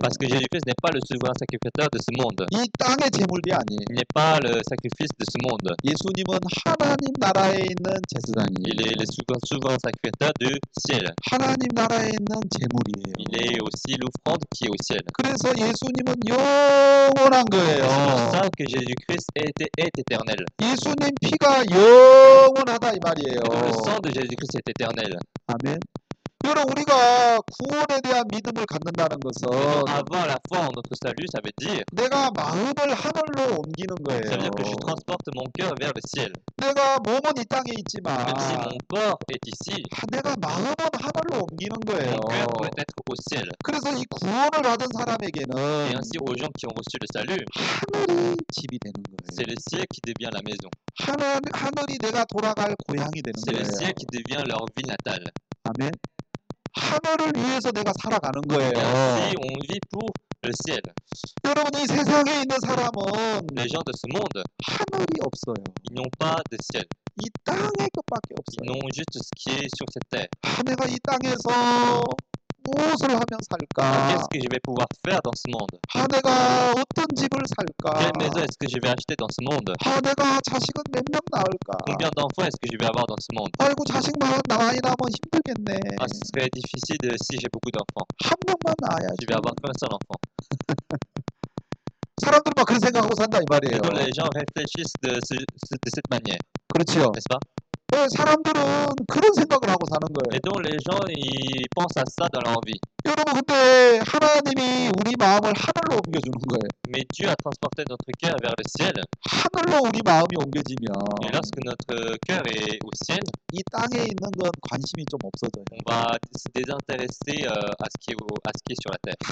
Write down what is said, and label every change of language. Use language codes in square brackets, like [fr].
[fr] Parce que Jésus-Christ n'est pas le souverain sacrificateur de ce monde. [ko] 이 땅의 제물이 아니에요. [fr] Il n'est pas le sacrifice de ce monde. [ko] 예수님은 하나님 나라에 있는 제사장이에요. [fr] Il est le souverain sacrificateur du ciel. [ko] 하나님 나라에 있는 제물이에요. [fr] Il est aussi l'offrande qui est au ciel. [ko] 그래서 예수님은 영원한 거예요. [fr] C'est pour ça que Jésus-Christ est éternel. [ko] 예수님 피가 영원하다 이 말이에요. [fr] Le sang de Jésus-Christ est éternel. Amen. [ko] 그러면 우리가 구원에 대한 믿음을 갖는다는 [fr] Donc, [ko] 것은 [fr] avoir la foi en notre salut, ça veut dire. [ko] 내가 마음을 하늘로 옮기는 [fr] Ça veut dire que je [ko] 거예요. [fr] transporte mon cœur vers le ciel. [ko] 내가 몸은 이 땅에 [fr] Même si [ko] 있지만 [fr] mon corps est ici, [ko] 내가 마음은 하늘로 옮기는 [fr] mon cœur doit être au ciel. [ko] 그래서 이 구원을 받은 [fr] Et ainsi, aux gens [ko] 사람에게는 [fr] qui ont reçu le salut, [ko] 하늘이 집이 되는 [fr] c'est le ciel qui devient la maison. [ko] 하늘이 내가 돌아갈 고향이 되는 [fr] C'est le ciel qui devient leur vie natale. [ko] 아멘. 하늘을 위해서 내가 살아가는 [fr] Et [ko] 거예요. [fr] ainsi, on vit pour le ciel. [ko] 여러분, 이 세상에 있는 [fr] Les [ko] 사람은 [fr] gens de ce monde, [ko] 하늘이 없어요. [fr] ils n'ont pas de ciel. [ko] 이 땅에 것밖에 [fr] Ils [ko] 없어요. [fr] n'ont juste ce qui est sur cette terre. [ko] 내가 이 땅에서 무엇을 하면 [fr] Alors, qu'est-ce [ko] 살까? [fr] que je vais pouvoir faire dans ce monde? [ko] 내가 어떤 집을 [fr] Quelle maison [ko] 살까? [fr] est-ce que je vais acheter dans ce monde? [ko] 내가 자식은 몇명 낳을까? [fr] Combien d'enfants est-ce que je vais avoir dans ce monde? [ko] 아이고, 자식만 낳아야 하면 힘들겠네. [fr] 아, ce serait difficile de, si j'ai beaucoup d'enfants. [ko] 한 명만 [fr] Je vais avoir qu'un seul enfant. [ko] 낳아야지. 사람들만 그런 생각하고 산다 이 [fr] Et donc [ko] 말이에요. [fr] les gens réfléchissent de cette manière. [ko] 그렇지요. [fr] N'est-ce pas? [ko] 왜 사람들은 그런 생각을 하고 사는 [fr] Et donc les gens ils pensent à ça dans leur vie. [ko] 거예요? 여러분, 그때 하나님이 우리 마음을 하늘로 옮겨주는 거예요. [fr] Mais Dieu a transporté notre cœur vers le ciel. [ko] haut 우리 마음이 [fr] Et [ko] 옮겨지면 [fr] lorsque notre cœur est au ciel, [ko] 이 땅에 있는 건 관심이 좀 없어져요. [fr] on va se désintéresser à ce qui est à ce qui est sur la terre.